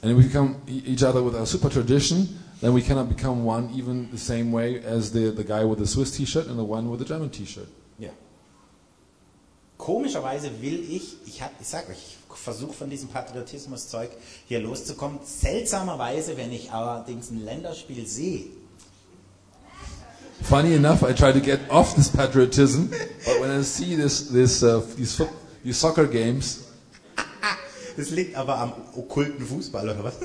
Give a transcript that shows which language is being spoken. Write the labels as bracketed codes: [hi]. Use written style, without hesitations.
[en] And if we become each other with our super tradition, then we cannot become one even the same way as the guy with the Swiss T-Shirt and the one with the German T-Shirt. Yeah. [de] Komischerweise will ich sage euch, ich versuche von diesem Patriotismus-Zeug hier loszukommen. Seltsamerweise, wenn ich allerdings ein Länderspiel sehe. [en] Funny enough, I try to get off this patriotism, but when I see these soccer games. [de] Das liegt aber am okkulten Fußball, oder was?